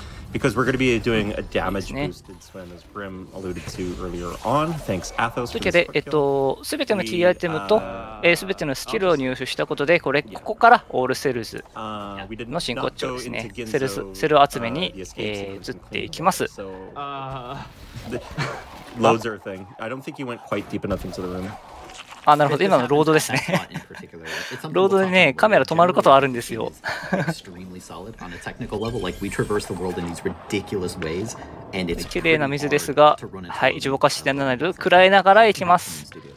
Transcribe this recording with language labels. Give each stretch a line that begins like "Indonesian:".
English: Because we're going to be doing a damage boosted swim, as Brim alluded to earlier on. Thanks, Athos.
Japanese: というわけで、すべてのキーアイテムと、すべてのスキルを入手したことで、これ、ここからオールセルズの進行中ですね。セル集めに移っていきます。
English: Loads are a thing. I don't think you went quite deep enough into the room.
Japanese: あ、なるほど、今のロードですね。ロードでね、カメラ止まることあるんですよ。綺麗な水ですが、はい、乗馬しならないと食らいながら行きます。